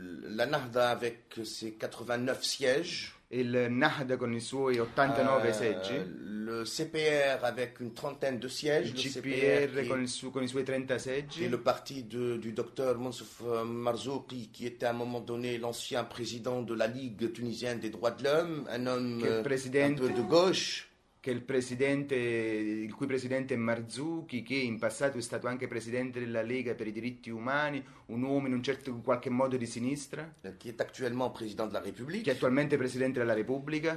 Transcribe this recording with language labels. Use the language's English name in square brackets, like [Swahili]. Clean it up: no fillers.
[French] La Nahda avec ses 89 sièges. [Italian] Il Nahda con i suoi 89 seggi. [French] Le CPR avec une trentaine de sièges. [Italian] Il CPR con i suoi 30 seggi. [French] Et le parti du docteur Mansouf Marzouki, qui était à un moment donné l'ancien président de la Ligue tunisienne des droits de l'homme, un homme un peu de gauche. [Italian] Che il presidente, il cui presidente è Marzouki, che in passato è stato anche presidente della Lega per i diritti umani, un uomo in un certo in qualche modo di sinistra, che è attualmente presidente della Repubblica, che è attualmente presidente della Repubblica,